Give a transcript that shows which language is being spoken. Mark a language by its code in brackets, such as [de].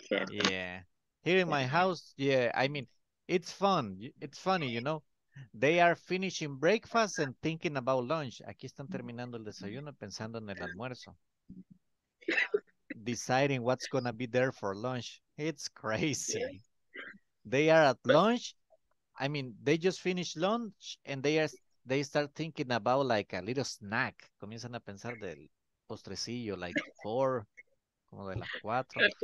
[en] Yeah. Here in my house, yeah, I mean, it's fun. It's funny, you know. They are finishing breakfast and thinking about lunch. [es] Aquí están terminando el desayuno pensando en el almuerzo. [en] Deciding what's going to be there for lunch. It's crazy. They are at lunch. I mean, they just finished lunch and they start thinking about like a little snack. [es] Comienzan a pensar del postrecillo, [en] like four, [es] como de las cuatro.